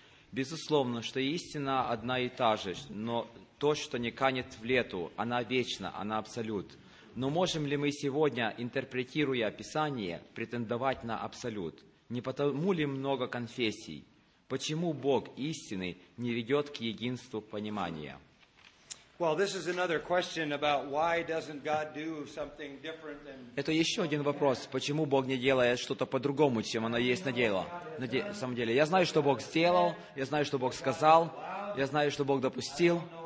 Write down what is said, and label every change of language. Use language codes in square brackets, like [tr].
[ru] Безусловно, что истина одна и та же, но то, что не канет в лету, она вечна, она абсолют. Но можем ли мы сегодня, интерпретируя Писание, претендовать на абсолют? Не потому ли много конфессий? Почему Бог истины не ведет к единству понимания? [en] Well, this is another question about why doesn't God do something different than... [ru] Это еще один вопрос, почему Бог не делает что-то по-другому, чем оно есть на самом деле. Я знаю, что Бог сделал, я знаю, что Бог сказал, я знаю, что Бог допустил.